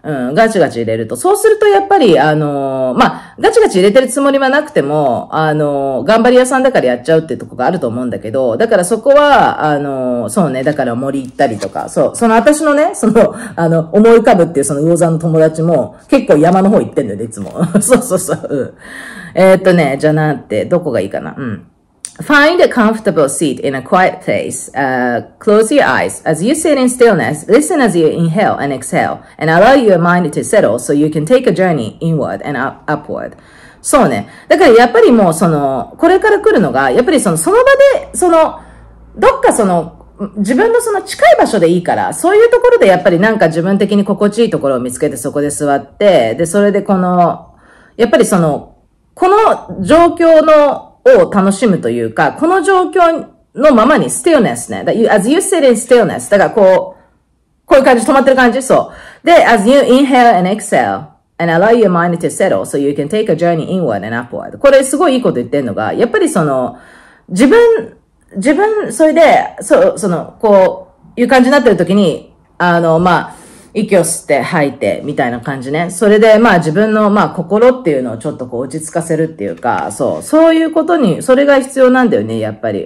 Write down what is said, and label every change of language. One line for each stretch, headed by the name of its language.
Japanese: うん、ガチガチ入れると。そうすると、やっぱり、まあ、ガチガチ入れてるつもりはなくても、頑張り屋さんだからやっちゃうっていうとこがあると思うんだけど、だからそこは、そうね、だから森行ったりとか、そう、その私のね、その、思い浮かぶっていうその魚座の友達も、結構山の方行ってんだよね、いつも。そうそうそう、うん。じゃあなんて、どこがいいかな？うん。
English: Find a comfortable seat in a quiet place. Close your eyes. As you sit in stillness, listen as you inhale and exhale, and allow your mind to settle so you can take a journey inward and upward.
Japanese: そうね。だからやっぱりもうその、これから来るのが、やっぱりその場で、その、どっかその、自分のその近い場所でいいから、そういうところでやっぱりなんか自分的に心地いいところを見つけてそこで座って、で、それでこの、やっぱりその、この状況の、を楽しむというか、この状況のままに stillness ね。
English: That you, as you sit in stillness.
Japanese: だからこういう感じ、止まってる感じ、そう。
English: で、as you inhale and exhale, and allow your mind to settle so you can take a journey inward and upward.
Japanese: これすごいいいこと言ってんのが、やっぱりその、自分、それで、その、こういう感じになってる時に、まあ、息を吸って吐いてみたいな感じね。それでまあ自分のまあ心っていうのをちょっとこう落ち着かせるっていうか、そう、そういうことに、それが必要なんだよね、やっぱり。